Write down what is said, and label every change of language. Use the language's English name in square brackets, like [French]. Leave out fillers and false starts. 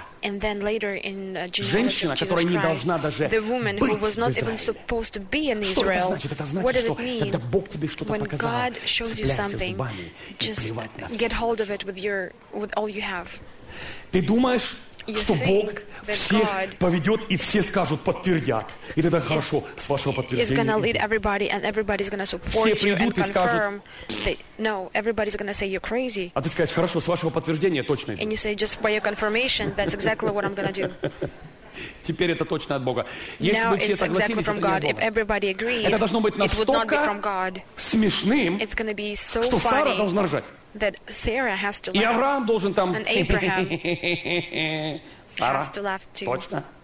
[English] and then later in genealogy of Jesus Christ. The woman who was not even supposed to be in Israel. What does it mean when God shows you something, just get hold of it with all you have? [Russian] Ты думаешь, что Бог всех поведет, и все скажут, подтвердят. И тогда хорошо, с вашего подтверждения. Все придут и скажут, [English] no, everybody's going to say you're crazy. [Russian] А ты скажешь, хорошо, с вашего подтверждения точно. [English] And you say, just by your confirmation, that's exactly what I'm going to do. [Russian] Теперь это точно от Бога. Если бы все согласились, это не от Бога. Это должно быть настолько смешным, что Сара должна ржать. [English] That Sarah has to laugh. [Russian] И Авраам должен там... [English] And Abraham Sarah, has to laugh too. [Russian] Точно.